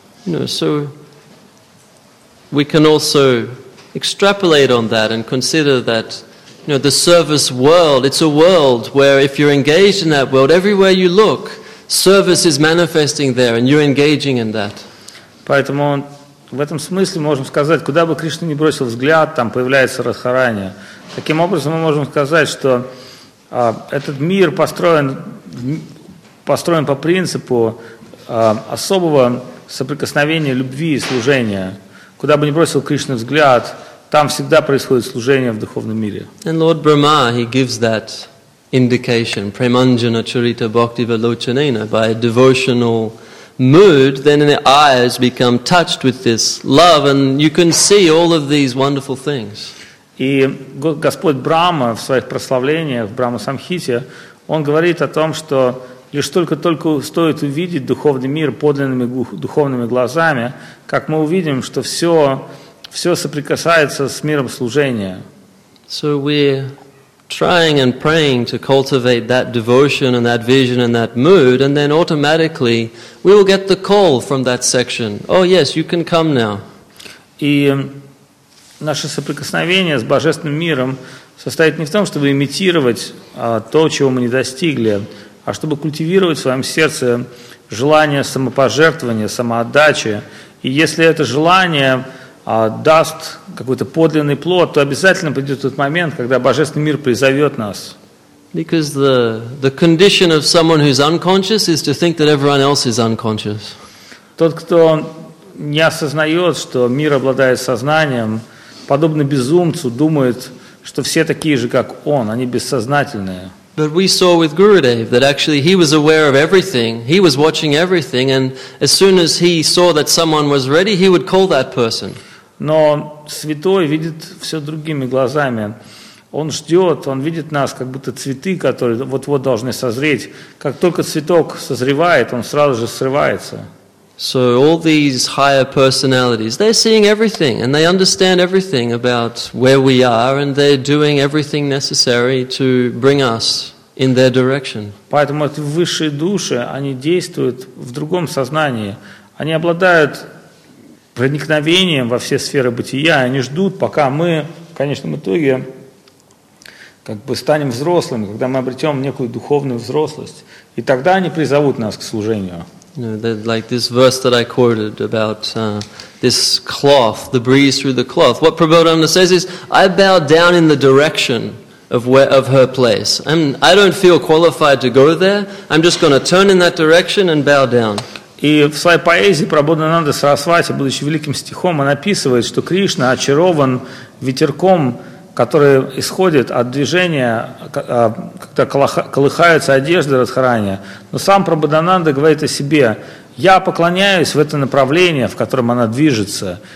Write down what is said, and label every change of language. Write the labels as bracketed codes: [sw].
[en] No, so we can also extrapolate on that and consider that, you know, the service world, it's a world where if you're engaged in that world, everywhere you look, service is manifesting there and you're engaging in that. [ru] Поэтому в этом смысле можем сказать, куда бы Кришна ни бросил взгляд, там появляется Радхарани. Таким образом мы можем сказать, что этот мир построен по принципу особого соприкосновения любви и служения. Куда бы ни бросил Кришна взгляд, там всегда происходит служение в духовном мире. [en] And Lord Brahma, he gives that indication, [sa] Premanjana Charita Bhakti Valochanena, [en] by a devotional mood, then the eyes become touched with this love and you can see all of these wonderful things. [ru] И Господь Брама в своих прославлениях, в Брама Самхите, он говорит о том, что лишь только-только стоит увидеть духовный мир подлинными духовными глазами, как мы увидим, что все соприкасается с миром служения. [en] So we're trying and praying to cultivate that devotion and that vision and that mood, and then automatically we will get the call from that section. Oh yes, you can come now. [ru] И наше соприкосновение с Божественным миром состоит не в том, чтобы имитировать то, чего мы не достигли, а чтобы культивировать в своем сердце желание самопожертвования, самоотдачи. И если это желание даст какой-то подлинный плод, то обязательно придет тот момент, когда Божественный мир призовет нас. [en] Because the condition of someone who's unconscious is to think that everyone else is unconscious. [ru] Тот, кто не осознает, что мир обладает сознанием, подобно безумцу, думает, что все такие же, как он, они бессознательные. [en] But we saw with Gurudev that actually he was aware of everything, he was watching everything, and as soon as he saw that someone was ready, he would call that person. [ru] Но святой видит все другими глазами. Он ждет, он видит нас, как будто цветы, которые вот-вот должны созреть. Как только цветок созревает, он сразу же срывается. [en] So all these higher personalities, they're seeing everything and they understand everything about where we are and they're doing everything necessary to bring us in their direction. [ru] Поэтому эти высшие души, они действуют в другом сознании. Они обладают проникновением во все сферы бытия. Они ждут, пока мы в конечном итоге как бы станем взрослыми, когда мы обретем некую духовную взрослость. И тогда они призовут нас к служению. [en] You know, like this verse that I quoted about this cloth, the breeze through the cloth. What Prabodhananda says is, I bow down in the direction of where, of her place. And I don't feel qualified to go there. I'm just going to turn in that direction and bow down. [ru] И в своей поэзии Прабхупада Сарасвати, будучи великим стихом, он описывает, что Кришна очарован ветерком, который исходит от движения, когда колыхаются одежды Радхарани. Но сам Прабхупада говорит о себе, я поклоняюсь в это направление, в котором она движется.